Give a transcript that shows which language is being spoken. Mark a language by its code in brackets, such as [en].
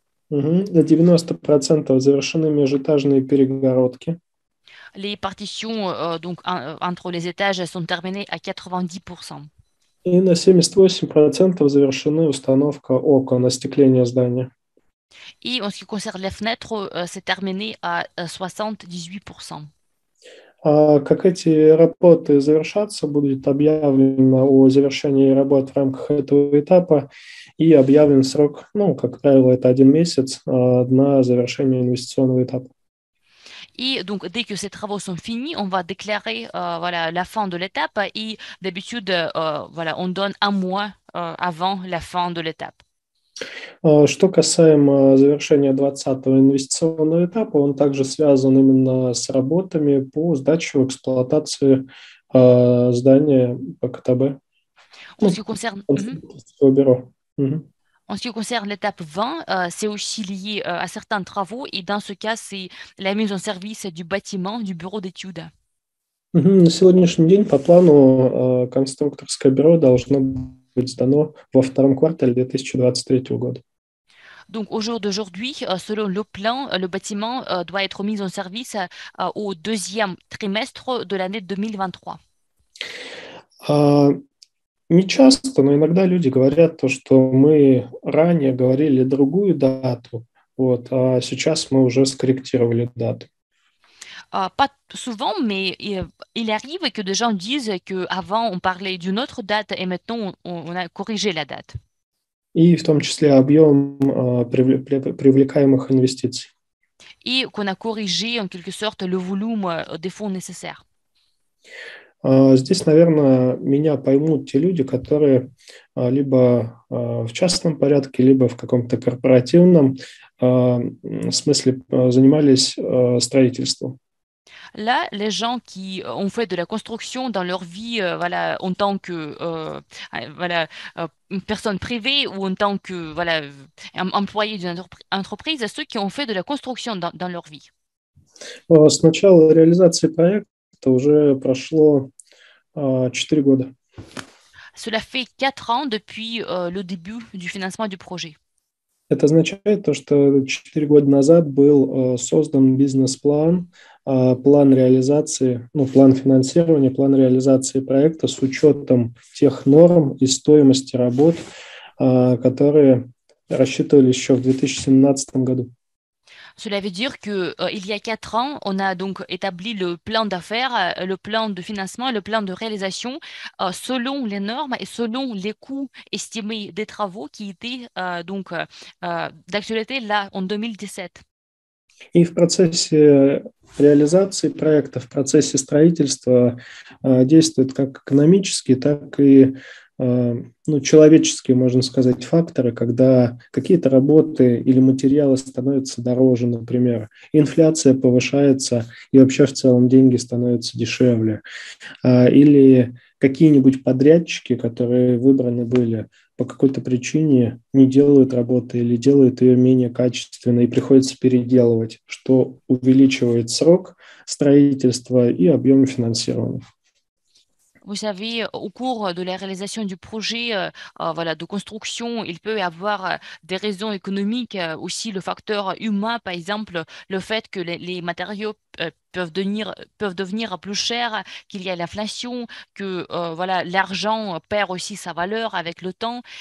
[ru] На 90% завершены межэтажные перегородки. [fr] Les partitions donc, entre les étages sont terminées à 90%. [ru] И на 78% завершена установка окон, остекление здания. [fr] Et en ce qui concerne les fenêtres, c'est terminé à 78%. [ru] А как эти работы завершатся, будет объявлено о завершении работ в рамках этого этапа и объявлен срок, ну, как правило, это один месяц на завершение инвестиционного этапа. [fr] Et donc, dès que ces travaux sont finis, on va déclarer voilà, la fin de l'étape. Et d'habitude, voilà, on donne un mois avant la fin de l'étape. [ru] Что касаемо завершения 20-го инвестиционного этапа, он также связан именно с работами по сдаче в эксплуатацию здания ПКТБ. [fr] En ce qui concerne... En ce qui concerne l'étape 20, c'est aussi lié à certains travaux et dans ce cas, c'est la mise en service du bâtiment du bureau d'études. [ru] На сегодняшний день по плану конструкторское бюро должно быть сдано во втором квартале 2023 года. [fr] Donc au jour d'aujourd'hui, selon le plan, le bâtiment doit être mis en service au deuxième trimestre de l'année 2023. [ru] Не часто, но иногда люди говорят то, что мы ранее говорили другую дату, вот, а сейчас мы уже скорректировали дату. [fr] Pas souvent, mais il arrive que des gens disent que avant on parlait d'une autre date et maintenant on a corrigé la date. [ru] И в том числе объем привлекаемых инвестиций. [fr] Et qu'on a corrigé en quelque sorte le volume des fonds nécessaires. [ru] Здесь, наверное, меня поймут те люди, которые либо в частном порядке, либо в каком-то корпоративном смысле занимались строительством. [fr] Là, les gens qui ont fait de la construction dans leur vie, voilà, en tant que voilà, personne privée ou en tant que voilà, employé d'une entreprise, ceux qui ont fait de la construction dans leur vie. [ru] С начала реализации проекта уже прошло 4 года. [fr] Cela fait 4 ans depuis le début du financement du projet. [ru] Это означает то, что 4 года назад был создан бизнес-план, план реализации, ну, план финансирования, план реализации проекта с учетом тех норм и стоимости работ, которые рассчитывались еще в 2017 году. [fr] Cela veut dire qu'il y a 4 ans, on a donc établi le plan d'affaires, le plan de financement, le plan de réalisation selon les normes et selon les coûts estimés des travaux qui étaient donc d'actualité là en 2017. [ru] И в процессе реализации проекта, в процессе строительства действуют как экономические, так и ну, человеческие, можно сказать, факторы, когда какие-то работы или материалы становятся дороже, например, инфляция повышается и вообще в целом деньги становятся дешевле, или какие-нибудь подрядчики, которые выбраны были по какой-то причине, не делают работы или делают ее менее качественно и приходится переделывать, что увеличивает срок строительства и объем финансирования. [fr] Vous savez, au cours de la réalisation du projet voilà, de construction, il peut y avoir des raisons économiques, aussi le facteur humain, par exemple, le fait que les matériaux peuvent devenir plus chers, qu'il y a l'inflation, que voilà, l'argent perd aussi sa valeur avec le temps.